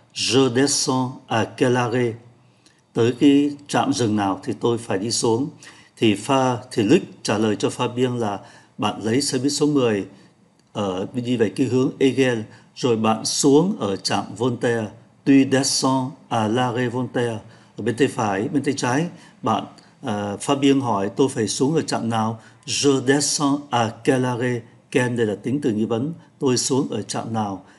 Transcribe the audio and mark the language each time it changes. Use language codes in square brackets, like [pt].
[fr] Je descends à quel arrêt? [vi] Tới cái trạm dừng nào thì tôi phải đi xuống. Thì Luc trả lời cho Fabien là bạn lấy xe buýt số 10 đi về cái hướng Egel, rồi bạn xuống ở trạm Voltaire. [fr] Tu descends à l'arrêt Voltaire. [vi] Ở bên tay phải, bên tay trái, bạn Fabien hỏi tôi phải xuống ở trạm nào. [fr] Je descends à quel arrêt? [vi] Ken đây là tính từ nghi vấn, tôi xuống ở trạm nào?